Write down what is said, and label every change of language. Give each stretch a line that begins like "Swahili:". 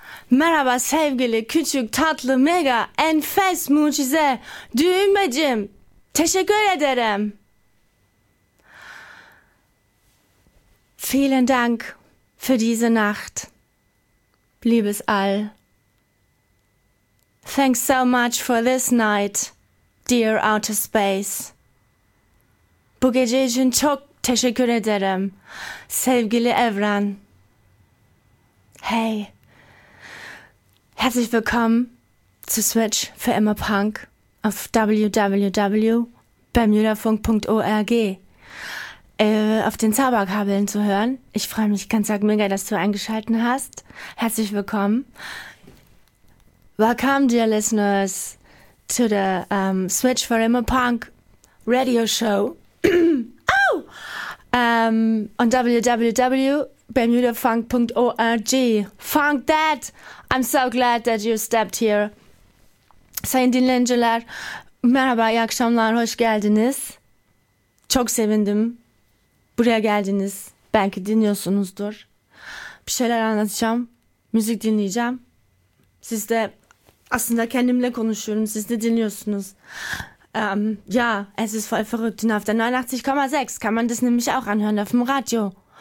Turkish: Merhaba sevgili küçük tatlı mega enfes mucize düğümecim. Teşekkür ederim.
German: Vielen Dank für diese Nacht, liebes All.
English: Thanks so much for this night, dear outer space.
Turkish: Bu gece için çok teşekkür ederim, sevgili Evren.
German: Hey, herzlich willkommen zu Switch für immer Punk auf www.bermudafunk.org. Auf den Zauberkabeln zu hören. Ich freue mich ganz arg mega, dass du eingeschalten hast. Herzlich willkommen.
English: Welcome, dear listeners, to the Switch for Emo Punk Radio Show. Oh! On www.bermudafunk.org. Funk that! I'm so glad that you stepped here.
Turkish: Sayın dinleyiciler, merhaba, iyi akşamlar, hoş geldiniz. Çok sevindim. Buraya geldiniz. Belki dinliyorsunuzdur. Bir şeyler anlatacağım. Müzik dinleyeceğim. Siz de aslında kendimle konuşuyorum. Siz de dinliyorsunuz.
German: Ja, es ist voll verrückt. Und auf der 89,6 kann man das nämlich auch anhören auf dem Radio.